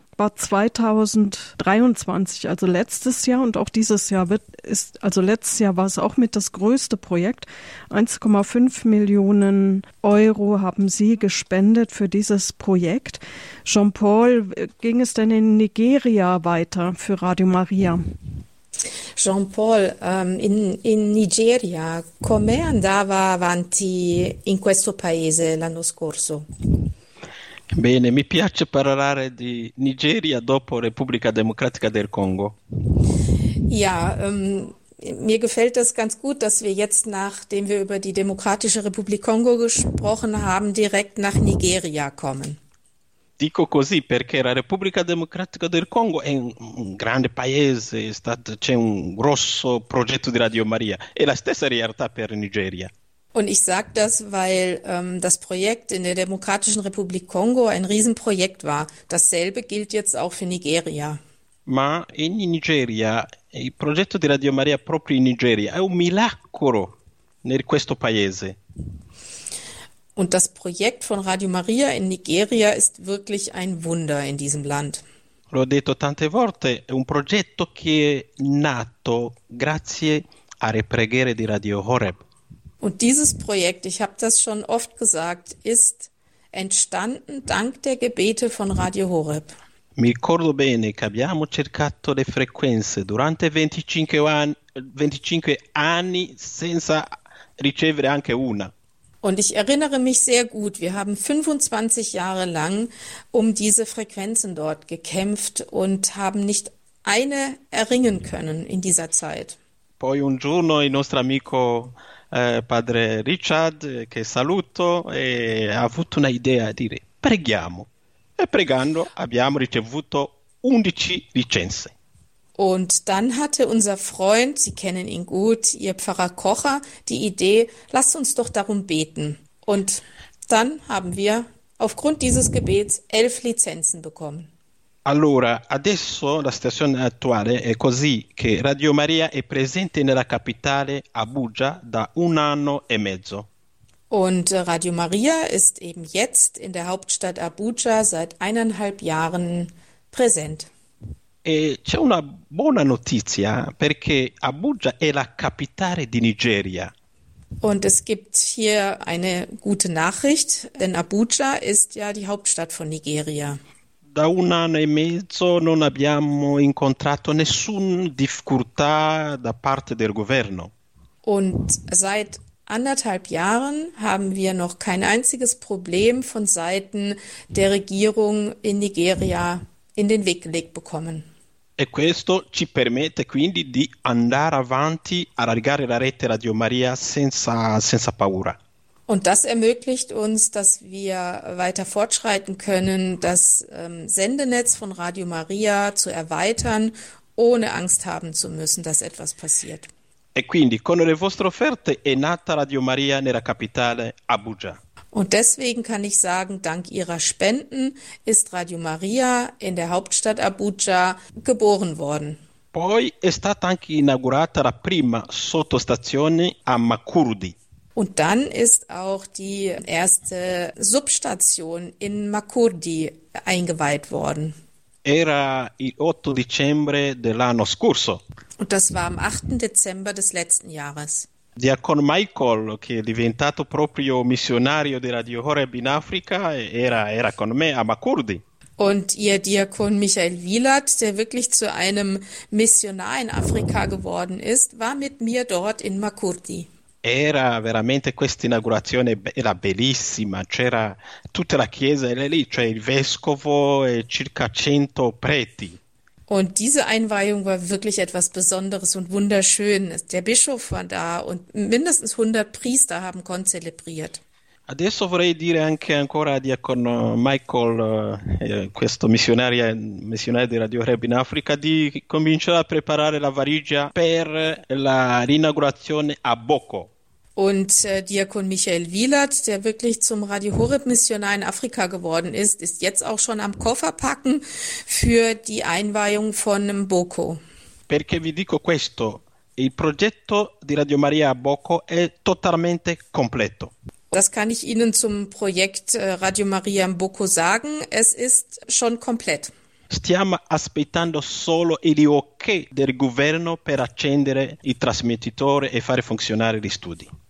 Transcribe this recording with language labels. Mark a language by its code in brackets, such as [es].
[de] war 2023, also letztes Jahr, und auch dieses Jahr letztes Jahr war es auch mit das größte Projekt. 1,5 Millionen Euro haben Sie gespendet für dieses Projekt. Jean-Paul, ging es denn in Nigeria weiter für Radio Maria? [it] Jean-Paul, in Nigeria, come andava avanti in questo paese l'anno scorso? Bene, mi piace parlare di Nigeria dopo Repubblica Democratica del Congo. [de] Mir gefällt das ganz gut, dass wir jetzt, nachdem wir über die Demokratische Republik Kongo gesprochen haben, direkt nach Nigeria kommen. [it] Dico così perché la Repubblica Democratica del Congo è un grande paese, c'è un grosso progetto di Radio Maria, è la stessa realtà per Nigeria. [de] Und ich sage das, weil das Projekt in der Demokratischen Republik Kongo ein Riesenprojekt war. Dasselbe gilt jetzt auch für Nigeria. [it] Ma in Nigeria, il progetto di Radio Maria proprio in Nigeria è un miracolo in questo paese. [de] Und das Projekt von Radio Maria in Nigeria ist wirklich ein Wunder in diesem Land. [it] L'ho detto tante volte, è un progetto che è nato grazie alle preghiere di Radio Horeb. [de] Und dieses Projekt, ich habe das schon oft gesagt, ist entstanden dank der Gebete von Radio Horeb. [it] Mi ricordo bene che abbiamo cercato le frequenze durante 25 anni senza ricevere anche una. [de] Und ich erinnere mich sehr gut, wir haben 25 Jahre lang um diese Frequenzen dort gekämpft und haben nicht eine erringen können in dieser Zeit. [it] Poi un giorno il nostro amico padre Richard, che saluto, ha avuto una idea di dire preghiamo. E pregando abbiamo ricevuto 11 licenze. [de] Und dann hatte unser Freund, Sie kennen ihn gut, Ihr Pfarrer Kocher, die Idee, lass uns doch darum beten. Und dann haben wir aufgrund dieses Gebets 11 Lizenzen bekommen. [it] Allora, adesso la situazione attuale è così, che Radio Maria è presente nella capitale Abuja da un anno e mezzo. [de] Und Radio Maria ist eben jetzt in der Hauptstadt Abuja seit 1,5 Jahren präsent. [it] E c'è una buona notizia, perché Abuja è la capitale di Nigeria. [de] Und es gibt hier eine gute Nachricht, denn Abuja ist ja die Hauptstadt von Nigeria. [it] Da un anno e mezzo non abbiamo incontrato nessuna difficoltà da parte del governo. [de] Und seit 1,5 Jahren haben wir noch kein einziges Problem von Seiten der Regierung in Nigeria in den Weg gelegt bekommen. [it] E questo ci permette quindi di andare avanti, allargare la rete Radio Maria senza paura. [de] Und das ermöglicht uns, dass wir weiter fortschreiten können, das Sendenetz von Radio Maria zu erweitern, ohne Angst haben zu müssen, dass etwas passiert. [it] E quindi con le vostre offerte è nata Radio Maria nella capitale Abuja. [de] Und deswegen kann ich sagen, dank Ihrer Spenden ist Radio Maria in der Hauptstadt Abuja geboren worden. [it] Poi è stata anche inaugurata la prima sottostazione a Makurdi. [de] Und dann ist auch die erste Substation in Makurdi eingeweiht worden. [it] Era il 8 dicembre dell'anno scorso. [de] Und das war am 8. Dezember des letzten Jahres. [it] Diakon Michael, che è diventato proprio missionario di Radio Horeb in Africa, era con me a Makurdi. [de] Und Ihr Diakon Michael Wielert, der wirklich zu einem Missionar in Afrika geworden ist, war mit mir dort in Makurdi. [it] Era veramente questa inaugurazione, era bellissima, c'era tutta la chiesa lì, cioè il vescovo e circa 100 preti. [de] Und diese Einweihung war wirklich etwas Besonderes und wunderschön. Der Bischof war da und mindestens 100 Priester haben konzelebriert. [it] Adesso vorrei dire anche ancora a Diakon Michael, questo missionario di Radio Horeb in Africa, di cominciare a preparare la valigia per la rinaugurazione a Boko. [de] Und Diakon Michael Wielert, der wirklich zum Radio Horeb Missionar in Afrika geworden ist, ist jetzt auch schon am Kofferpacken für die Einweihung von Mboko. [it] Perché vi dico questo, il progetto di Radio Maria a Boko è totalmente completo. [de] Das kann ich Ihnen zum Projekt Radio Maria Mboko sagen, es ist schon komplett. [it] Stiamo aspettando solo il ok del governo per accendere il trasmettitore e fare funzionare gli studi.